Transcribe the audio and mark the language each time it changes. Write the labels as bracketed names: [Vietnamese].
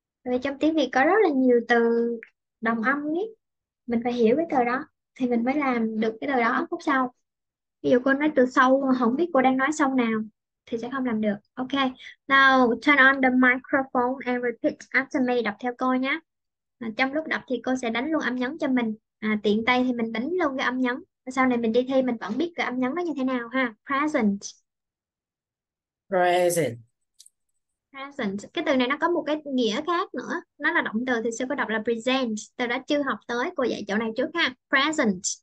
[Vietnamese] Vì trong tiếng Việt có rất là nhiều từ đồng âm ấy, mình phải hiểu cái từ đó thì mình mới làm được cái từ đó phút sau. Ví dụ cô nói từ sâu mà không biết cô đang nói sâu nào thì sẽ không làm được. Ok. [English] Now turn on the microphone and repeat after me. [Vietnamese] Đọc theo cô nhé. Trong lúc đọc thì cô sẽ đánh luôn âm nhấn cho mình. À, tiện tay thì mình đánh luôn cái âm nhấn. Sau này mình đi thi mình vẫn biết cái âm nhấn nó như thế nào ha. [English] Present. Present. Present. [Vietnamese] Cái từ này nó có một cái nghĩa khác nữa. Nó là động từ thì sẽ có đọc là present. Từ đó chưa học tới. Cô dạy chỗ này trước ha. Present.